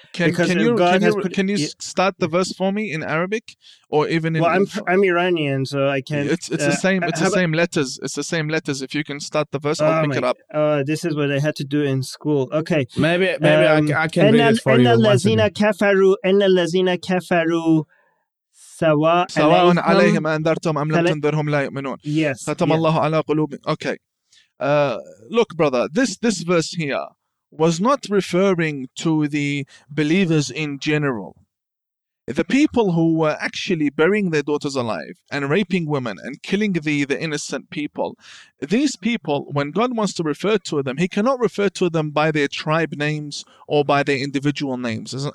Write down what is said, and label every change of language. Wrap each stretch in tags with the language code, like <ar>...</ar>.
<en>Can you start the verse for me in Arabic or even in? Well, I'm Iranian, so I can't. It's the same. Letters. It's the same letters. If you can start the verse, I'll pick it up. This is what I had to do in school. Okay. Maybe I can read it for you.</en> <ar>Enna lazina kafaru. سواء عليهم أنذرتهم أم لم تنذرهم لا يؤمنون.</ar> <en>Yes.</en> <ar>ختم الله على قلوبهم.</ar> <en>Okay. Look, brother, this verse here was not referring to the believers in general. The people who were actually burying their daughters alive and raping women and killing the innocent people, these people, when God wants to refer to them, he cannot refer to them by their tribe names or by their individual names.</en>